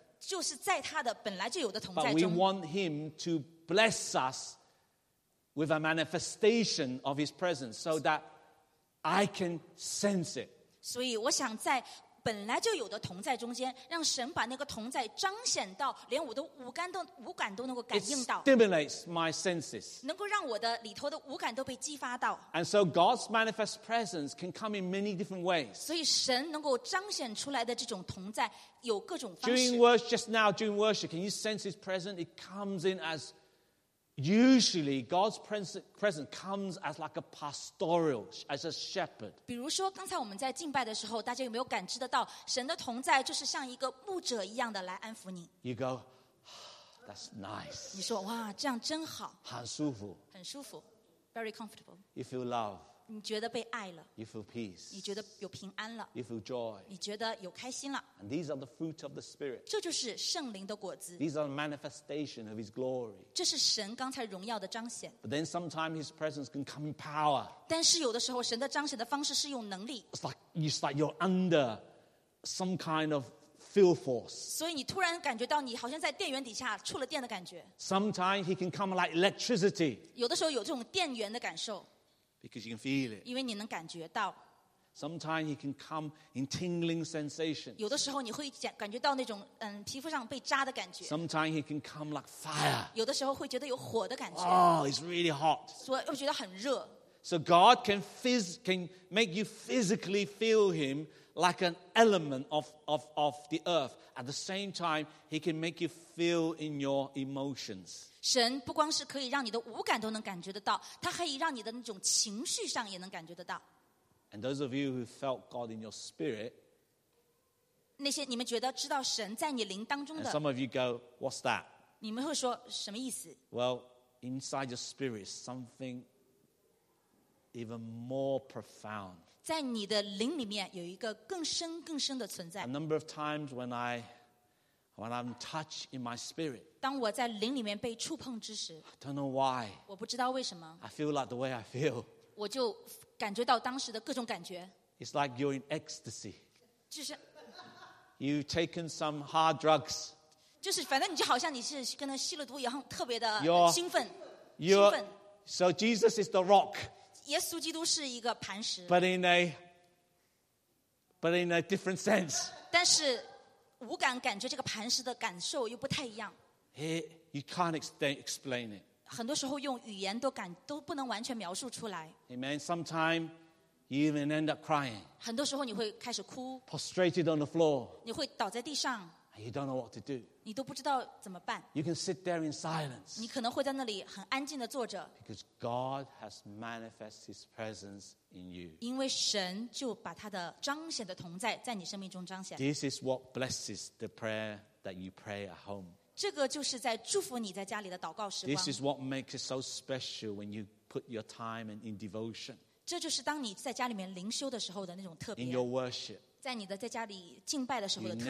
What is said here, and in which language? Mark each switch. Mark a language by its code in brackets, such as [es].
[zh] 就是在他的本来就有的同在中。 [en] But we want him to bless us with a manifestation of his presence so that I can sense it. [zh] 所以我想在本来就有的同在中间，让神把那个同在彰显到连我的五感都能够感应到。 [en] It stimulates my senses. [zh] 能够让我的里头的五感都被激发到。 [en] And so God's manifest presence can come in many different ways. [zh] 所以神能够彰显出来的这种同在有各种方式。 [en] During worship, just now, during worship, can you sense His presence? It comes in as usually God's presence comes as like a pastoral, as a shepherd. [zh] 比如说刚才我们在敬拜的时候，大家有没有感知得到神的同在就是像一个牧者一样的来安抚你。 [en] You go, that's nice. [zh] 你说哇，这样真好。很舒服。很舒服。 [en] very comfortable. You feel love. [zh] 你觉得被爱了。 [en] You feel peace. [zh] 你觉得有平安了。 [en] You feel joy. [zh] 你觉得有开心了。 [en] And these are the fruit of the Spirit. [zh] 这就是圣灵的果子。 [en] These are the manifestation of His glory. [zh] 这是神刚才荣耀的彰显。 [en] But then sometimes His presence can come in power. [zh] 但是有的时候神的彰显的方式是用能力。 [en] It's like you're under some kind of feel force. [zh] 所以你突然感觉到你好像在电源底下触了电的感觉。 [en] Sometimes He can come like electricity. [zh] 有的时候有这种电源的感受。 [en] Because you can feel it. [zh] 因为你能感觉到。 [en] Sometimes you can come in tingling sensation. [zh] 有的时候你会感觉到那种皮肤上被扎的感觉。 [en] Sometimes you can come like fire. [zh] 有的时候会觉得有火的感觉。 [en] Oh, it's really hot. [zh] 所以又觉得很热。 [en] So God can make you physically feel Him like an element of the earth. At the same time, He can make you feel in your emotions. [zh] 神不光是可以让你的五感都能感觉得到，他可以让你的那种情绪上也能感觉得到。 [en] And those of you who felt God in your spirit, [zh] 那些你们觉得知道神在你灵当中的。 [en] And some of you go, what's that? [zh] 你们会说什么意思？ [en] Well, inside your spirit is something even more profound. [zh] 在你的灵里面有一个更深更深的存在。 [en] A number of times when I'm touched in my spirit, [zh] 当我在灵里面被触碰之时, [en] I don't know why, [zh] 我不知道为什么, [en] I feel like the way I feel, [zh] 我就感觉到当时的各种感觉。 [en] It's like you're in ecstasy, [zh] 就是, [en] you've taken some hard drugs, [zh] 就是反正你就好像你是跟他吸了毒一样特别的兴奋, [en] So Jesus is the rock, [zh] 耶稣基督是一个磐石, [en] but in a different sense, [zh] 但是五感感觉这个磐石的感受又不太一样。 [en] You can't explain it. [zh] 很多时候用语言都不能完全描述出来。 [en] Amen. Sometimes you even end up crying. [zh] 很多时候你会开始哭。 [en] Prostrated on the floor. [zh] 你会倒在地上。 [en] You don't know what to do. [zh] 你都不知道怎么办。 [en] You can sit there in silence. [zh] 你可能会在那里很安静的坐着。 [en] Because God has manifested His presence in you. [zh] 因为神就把他的彰显的同在在你生命中彰显。 [en] This is what blesses the prayer that you pray at home. [zh] 这个就是在祝福你在家里的祷告时光。 [en] This is what makes it so special when you put your time in devotion. [zh] 这就是当你在家里面灵修的时候的那种特别。 [en] In your worship. [zh] 在你的在家里敬拜的时候的特别。